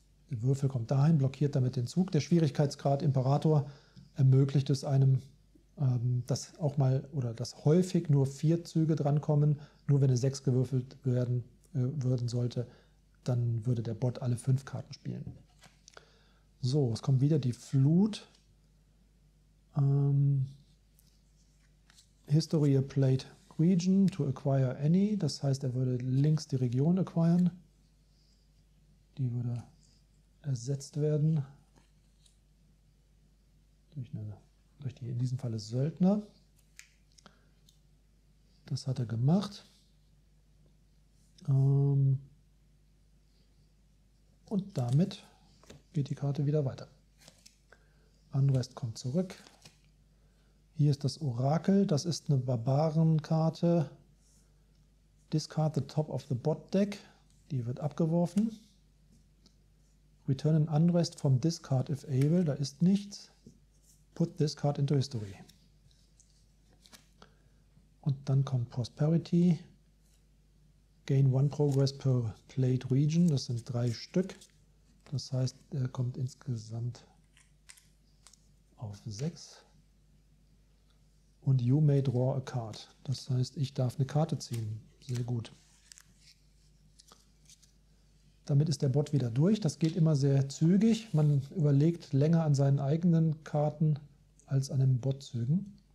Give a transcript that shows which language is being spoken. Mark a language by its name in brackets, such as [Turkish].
[German] Der Würfel kommt dahin, blockiert damit den Zug. Der Schwierigkeitsgrad Imperator ermöglicht es einem, dass auch mal oder dass häufig nur 4 Züge drankommen. Nur wenn eine 6 gewürfelt werden sollte, dann würde der Bot alle 5 Karten spielen. So, es kommt wieder die Flut. [English] History played region to acquire any. [German] Das heißt, er würde links die Region acquiren. Die würde ersetzt werden durch die in diesem Falle Söldner. Das hat er gemacht. Und damit geht die Karte wieder weiter. Unrest kommt zurück. Hier ist das Orakel. Das ist eine Barbarenkarte. [English] Discard the top of the bot deck. [German] Die wird abgeworfen. [English] Return an Unrest from Discard if able. [German] Da ist nichts. [English] Put this card into history. [German] Und dann kommt Prosperity. [English] Gain one progress per played region. [German] Das sind 3 Stück. Das heißt, er kommt insgesamt auf 6. Und [English] you may draw a card. [German] Das heißt, ich darf eine Karte ziehen. Sehr gut. Damit ist der Bot wieder durch. Das geht immer sehr zügig. Man überlegt länger an seinen eigenen Karten als an den Botzügen.